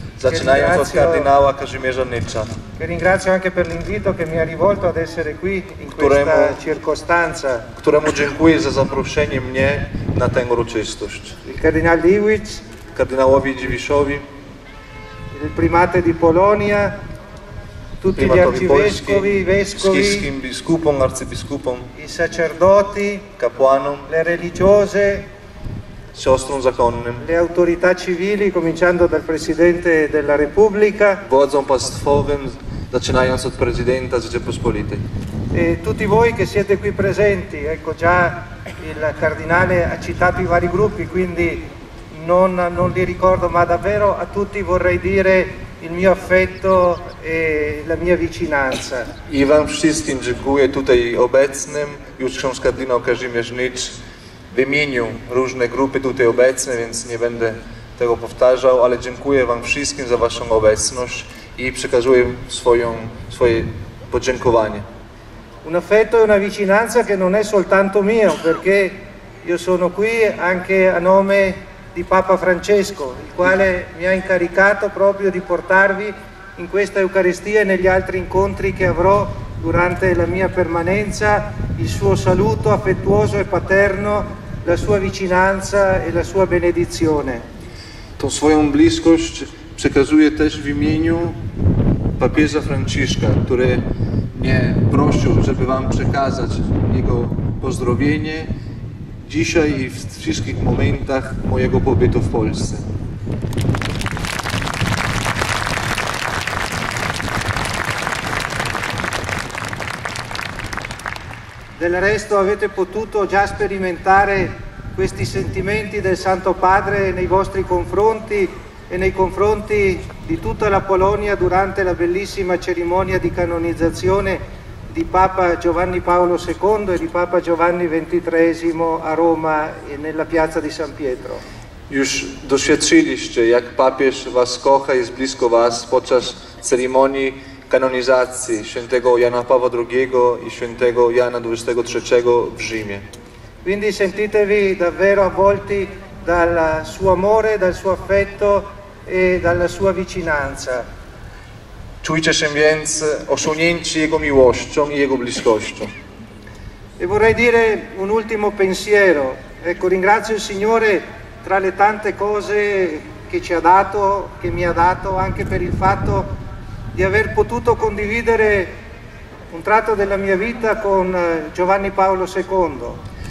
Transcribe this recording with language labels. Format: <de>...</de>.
<pl>Zaczynając od kardynała Kazimierza Nietzscha.</pl> <it>Che ringrazio anche per l'invito che mi ha rivolto ad essere qui in questa circostanza.</it> <pl>Któremu dziękuję za zaproszenie mnie na tę uroczystość.</pl> <it>Il kardynał Dziwisz.</it> <pl>Kardynałowi Dziwiszowi.</pl> <it>Il primate di Polonia. Tutti gli arcivescovi, i vescovi,</it> <pl>schiskim biskupom, arcybiskupom,</pl> <it>i sacerdoti,</it> <pl>kapłanom,</pl> <it>le religiose,</it> <pl>siostrom zakonnym,</pl> <it>le autorità civili, cominciando dal Presidente della Repubblica,</it> <pl>władzom państwowym, zaczynając od Prezydenta Rzeczypospolitej.</pl> <it>E tutti voi che siete qui presenti, ecco già il Cardinale ha citato i vari gruppi, quindi non li ricordo, ma davvero a tutti vorrei dire il mio affetto e la mia vicinanza.</it> <pl>I wam wszystkim dziękuję tutaj obecnym, już ksiądz kardynał Kazimierz Nietzsche wymienił różne grupy tutaj obecne, więc nie będę tego powtarzał, ale dziękuję wam wszystkim za waszą obecność i przekazuję swoje podziękowanie.</pl> <it>Un affetto e una vicinanza che non è soltanto mio, perché io sono qui anche a nome di Papa Francesco, il quale mi ha incaricato proprio di portarvi in questa Eucaristia e negli altri incontri che avrò durante la mia permanenza il suo saluto affettuoso e paterno, la sua vicinanza e la sua benedizione.</it> <pl>Tą swoją bliskość przekazuję też w imieniu papieża Franciszka, który mnie prosił, żeby wam przekazać jego pozdrowienie dzisiaj i w wszystkich momentach mojego pobytu w Polsce.</pl> <it>Del resto avete potuto già sperimentare questi sentimenti del Santo Padre nei vostri confronti e nei confronti di tutta la Polonia durante la bellissima cerimonia di canonizzazione di Papa Giovanni Paolo II e di Papa Giovanni XXIII a Roma e nella piazza di San Pietro.</it> <pl>Już doświadczyliście, jak papież was kocha, jest blisko was podczas ceremonii kanonizacji świętego Jana Pawła II i świętego Jana XXIII w Rzymie.</pl> <it>Quindi sentitevi davvero avvolti dal suo amore, dal suo affetto e dalla sua vicinanza.</it> <pl>Czujcie się więc osłonięci jego miłością i jego bliskością.</pl> <it>E vorrei dire un ultimo pensiero. Ecco, ringrazio il Signore tra le tante cose che ci ha dato, che mi ha dato, anche per il fatto di aver potuto condividere un tratto della mia vita con Giovanni Paolo II.</it>